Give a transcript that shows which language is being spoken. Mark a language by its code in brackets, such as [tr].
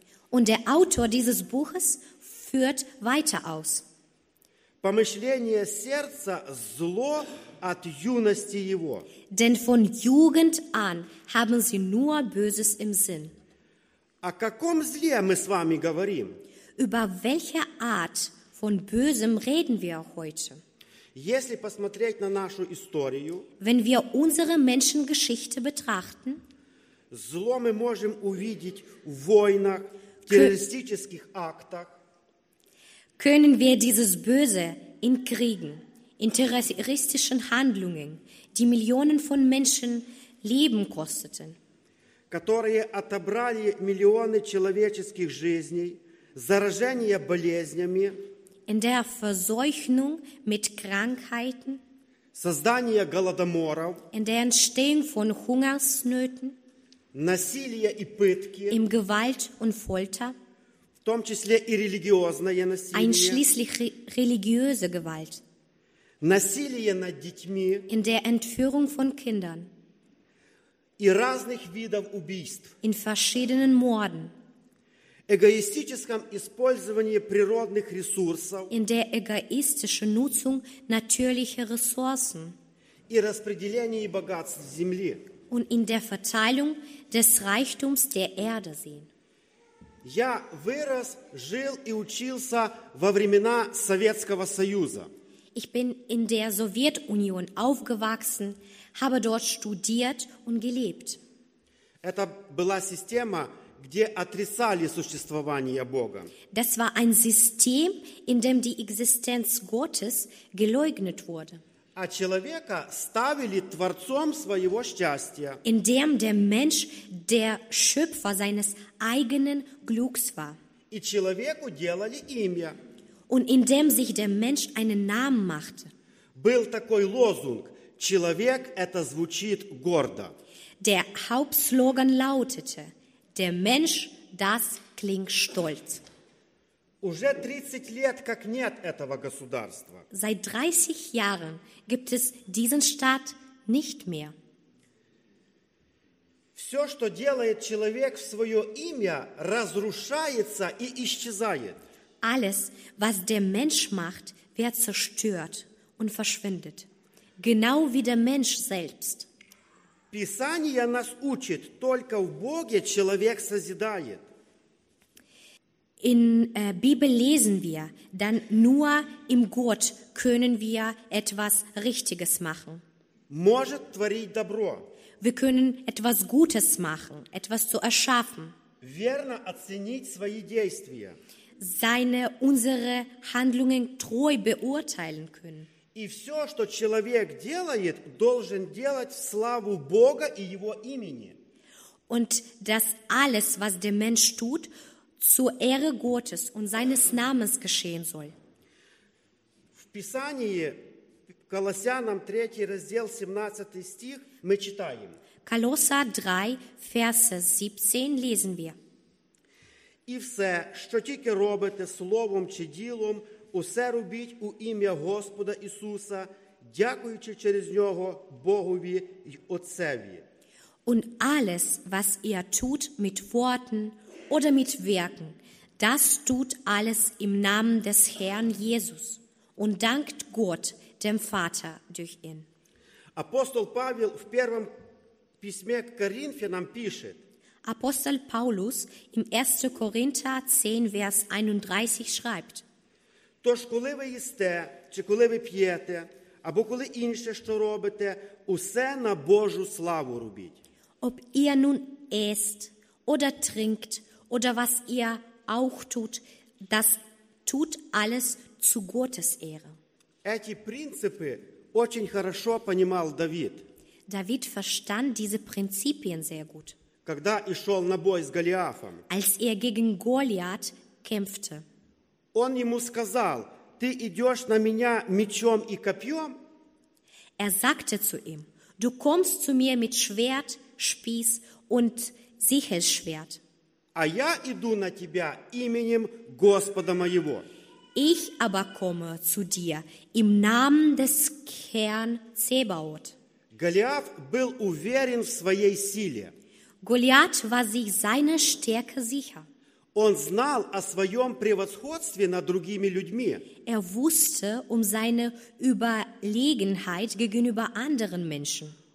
[de] Und der Autor dieses Buches führt weiter aus. [ru] Помышление сердца зло от юности его. [de] Denn von Jugend an haben sie nur Böses im Sinn. [ru] О каком зле мы с вами говорим? [de] Über welche Art von Bösem reden wir heute? [ru] Если посмотреть на нашу историю, [de] wenn wir unsere Menschengeschichte betrachten, [ru] зло мы можем увидеть в войнах, в террористических актах. [de] Können wir dieses Böse in Kriegen, in terroristischen Handlungen, die Millionen von Menschen Leben kosteten, [ru] которые отобрали миллионы человеческих жизней, заражение болезнями, [de] in der Verseuchung mit Krankheiten, [ru] создание голодоморов, [de] in der Entstehung von Hungersnöten, [ru] насилие и пытки, [de] im Gewalt und Folter, [ru] в том числе и религиозное насилие, [de] einschließlich religiöse Gewalt, [ru] насилие над детьми, [de] in der Entführung von Kindern, [ru] и разных видов убийств, [de] in verschiedenen Morden, [ru] эгоистическом использовании природных ресурсов, [de] in der egoistischen Nutzung natürlicher Ressourcen, [ru] и распределении богатств земли, [de] und in der Verteilung des Reichtums der Erde sehen. [ru] Я вырос, жил и учился во времена Советского Союза. [de] Ich bin in der Sowjetunion aufgewachsen, habe dort studiert und gelebt. [ru] Это была система, где отрицали существование Бога. [de] Das war ein System, in dem die Existenz Gottes geleugnet wurde. [ru] А человека ставили творцом своего счастья. [de] In dem der Mensch der Schöpfer seines eigenen Glücks war. [ru] И человеку делали имя. [de] Und in dem sich der Mensch einen Namen machte. [ru] Был такой лозунг: человек – это звучит гордо. [de] Der Hauptslogan lautete: Der Mensch, das klingt stolz. [ru] Уже 30 лет как нет этого государства. [de] Seit 30 Jahren gibt es diesen Staat nicht mehr. [ru] Все, что делает человек в свое имя, разрушается и исчезает. [de] Alles, was der Mensch macht, wird zerstört und verschwindet. Genau wie der Mensch selbst. [ru] Писание нас учит, только в Боге человек созидает. [de] In Bibel lesen wir, dann nur im Gott können wir etwas Richtiges machen. [ru] Может творить добро. [de] Wir können etwas Gutes machen, etwas zu erschaffen. [ru] Верно оценить свои действия. [de] Unsere Handlungen treu beurteilen können. [ru] И все, что человек делает, должен делать в славу Бога и Его имени. [de] Und das alles, was der Mensch tut, zur Ehre Gottes und seines Namens geschehen soll. [ru] В Писании, Колоссянам 3, раздел 17 стих, мы читаем. [de] Колоссянам 3, Verse 17, lesen wir. [ru] И все, что [uk] тільки робите словом чи ділом, усе робіть у ім'я Господа Ісуса, дякуючи через Нього Богові й Отцеві. [de] Und alles, was tut mit Worten, oder mit Werken, das tut alles im Namen des Herrn Jesus und dankt Gott, dem Vater, durch ihn. [ru] Apostel Павел в первом письме к Коринфянам пишет. [de] Apostel Paulus im 1. Korinther 10, Vers 31 schreibt. [uk] Тож, коли ви їсте, чи коли ви п'єте, або коли інше, що робите, усе на Божу славу робіть. [de] Ob ihr nun esst oder trinkt, oder was ihr auch tut, das tut alles zu Gottes Ehre. [ru] Эти принципы очень хорошо понимал Давид. [de] David verstand diese Prinzipien sehr gut. [ru] Когда и шел на бой с Голиафом. [de] Als gegen Goliath kämpfte. [ru] Он ему сказал: ты идешь на меня мечом и копьем? [de] Sagte zu ihm: du kommst zu mir mit Schwert, Spieß und Sichelschwert. [ru] А я иду на тебя именем Господа моего. [de] Ich aber komme zu dir im Namen des Herrn Zebaot. [ru] Голиаф был уверен в своей силе. [de] Голиаф war sich seiner Stärke sicher. [ru] Он знал о своем превосходстве над другими людьми. [de] Er wusste um seine Überlegenheit gegenüber anderen Menschen.